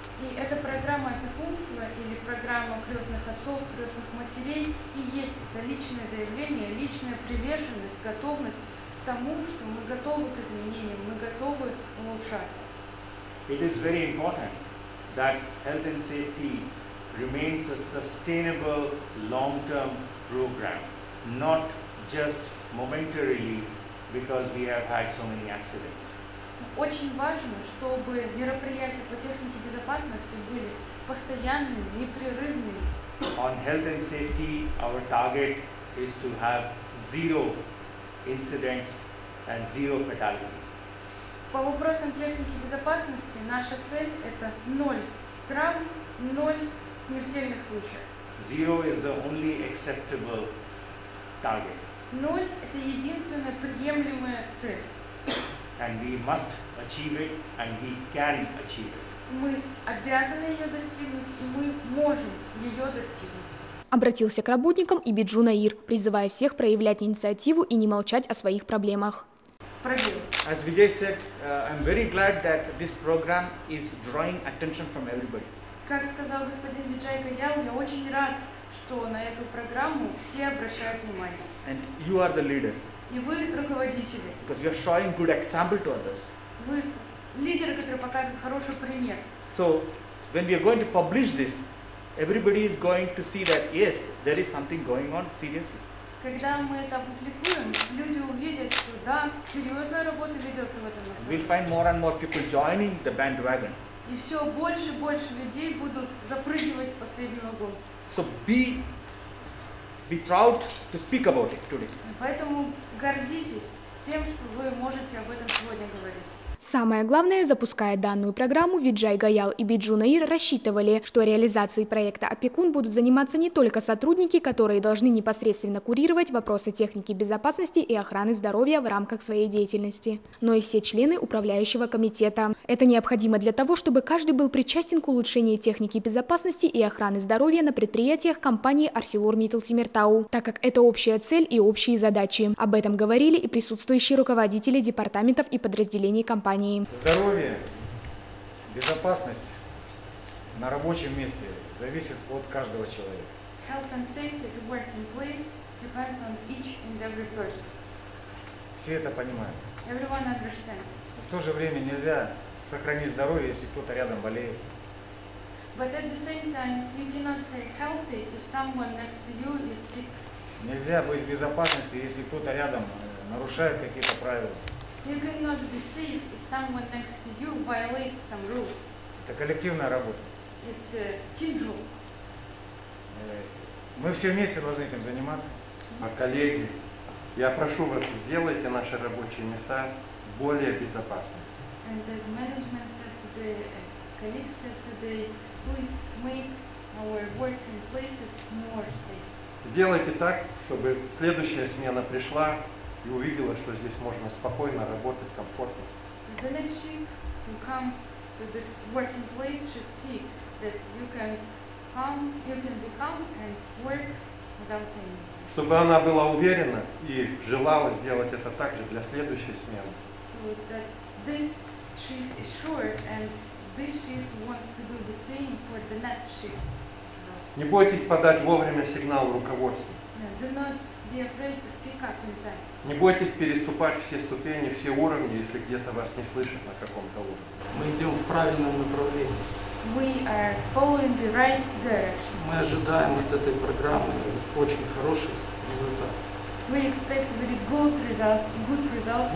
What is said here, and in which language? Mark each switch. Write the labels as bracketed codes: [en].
[ru] И эта программа опекунства или программа крестных отцов, крестных матерей и есть это личное заявление, личная приверженность, готовность к тому, что мы готовы к изменениям, мы готовы улучшаться. [en] It is very important that health and safety remains a sustainable long-term program, not just momentarily. Because we have had so many accidents. [ru] Очень важно, чтобы мероприятия по технике безопасности были постоянными, непрерывными. [en] On health and safety, our target is to have zero incidents and zero fatalities. [ru] По вопросам техники безопасности наша цель это ноль травм, ноль смертельных случаев. [en] Zero is the only acceptable target. [ru] Ноль – это единственная приемлемая цель. [en] And we must achieve it, and we can achieve it. [ru] Мы обязаны ее достигнуть, и мы можем ее достигнуть. Обратился к работникам и Биджу Наир, призывая всех проявлять инициативу и не молчать о своих проблемах. Пробел. [en] As Vijay said, I'm very glad that this program is drawing attention from everybody. [ru] Как сказал господин Виджай Гаял, я очень рад, что на эту программу все обращают внимание. [en] And you are the leaders. [ru] И вы руководители. [en] Because you are showing good example to others. [ru] Вы лидеры, которые показывают хороший пример. [en] So when we are going to publish this, everybody is going to see that yes, there is something going on seriously. [ru] Когда мы это опубликуем, люди увидят, что да, серьезная работа ведется в этом. [en] And we'll find more and more people joining the bandwagon. [ru] И все больше и больше людей будут запрыгивать в последнюю гонку. [en] So be proud to speak about it today. [ru] Поэтому гордитесь тем, что вы можете об этом сегодня говорить. Самое главное, запуская данную программу, Виджай Гаял и Биджу Наир рассчитывали, что реализацией проекта «Опекун» будут заниматься не только сотрудники, которые должны непосредственно курировать вопросы техники безопасности и охраны здоровья в рамках своей деятельности, но и все члены управляющего комитета. Это необходимо для того, чтобы каждый был причастен к улучшению техники безопасности и охраны здоровья на предприятиях компании ArcelorMittal Темиртау, так как это общая цель и общие задачи. Об этом говорили и присутствующие руководители департаментов и подразделений компании. Здоровье, безопасность на рабочем месте зависит от каждого человека. [en] Health and safety at working place depends on each and every person. [ru] Все это понимают. [en] Everyone understands. [ru] В то же время нельзя сохранить здоровье, если кто-то рядом болеет. [en] But at the same time, you cannot stay healthy if someone next to you is sick. [ru] Нельзя быть в безопасности, если кто-то рядом нарушает какие-то правила. [en] You cannot be safe if someone next to you violates some rules. [ru] Это коллективная работа. [en] It's a team job. [ru] Мы все вместе должны этим заниматься. А коллеги, я прошу вас, сделайте наши рабочие места более безопасными. [en] and as management said today, as colleagues said today, please make our working places more safe. [ru] Сделайте так, чтобы следующая смена пришла и увидела, что здесь можно спокойно работать, комфортно. [en] The next chief who comes to this working place should see that you can come, you can become and work without any. [ru] Чтобы она была уверена и желала сделать это также для следующей смены. [en] So that this chief is sure and this chief wants to do the same for the next chief. [ru] Не бойтесь подать вовремя сигнал руководству. [en] Do not be afraid to speak up in time. [ru] Не бойтесь переступать все ступени, все уровни, если где-то вас не слышат на каком-то уровне. Мы идем в правильном направлении. [en] We are following the right direction. [ru] Мы ожидаем от этой программы очень хороших результатов. [en] We expect very good result, good result.